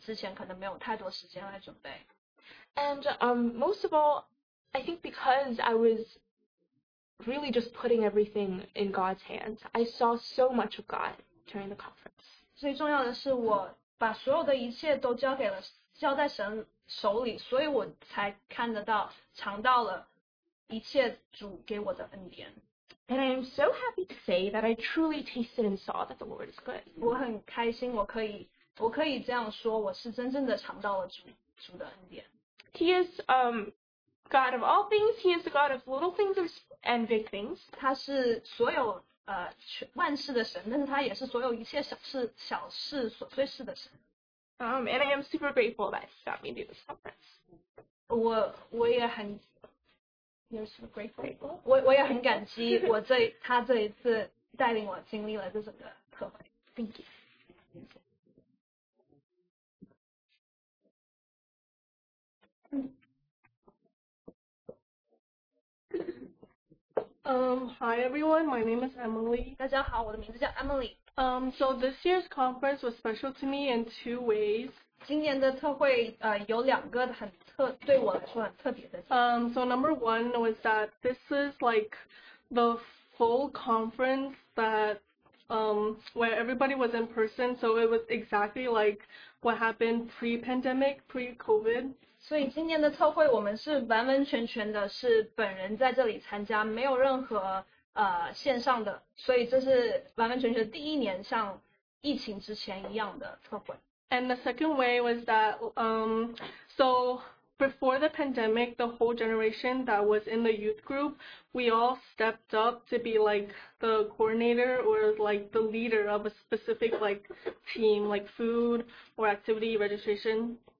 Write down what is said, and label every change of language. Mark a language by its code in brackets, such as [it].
[zh] 在小组交通的时候，我居然会有突然间会有问题，知道怎么带领交通，尽管说我之前可能没有太多时间来准备。 [en] And most of all, I think because I was really just putting everything in God's hands, I saw so much of God during the conference. [zh] 最重要的是我把所有的一切都交在神手里，所以我才看得到，尝到了一切主给我的恩典。 [en] And I am so happy to say that I truly tasted and saw that the Lord is good. [zh] 我很开心，我可以这样说，我是真正的尝到了主的恩典。 [en] He is God of all things. He is the God of little things and big things. [zh] 他是所有万事的神，但是他也是所有一切小事琐碎事的神。 [en] And I am super grateful that he got me to this conference. [zh] 我也很感激他这一次带领我经历了这整个课会。 [en] Thank you. Hi everyone, my name is Emily. [zh] 大家好，我的名字叫Emily. [en] So this year's conference was special to me in two ways. [zh] 今年的特会有两个很特对我来说很特别的。 [en] So number one was that this is like the full conference that where everybody was in person, so it was exactly like what happened pre-pandemic, pre-COVID. [zh] 所以今年的特会我们是完完全全的是本人在这里参加，没有任何线上的，所以这是完完全全第一年像疫情之前一样的特会。 [en] And the second way was that, so before the pandemic, the whole generation that was in the youth group, we all stepped up to be like the coordinator or like the leader of a specific like team, like food or activity registration.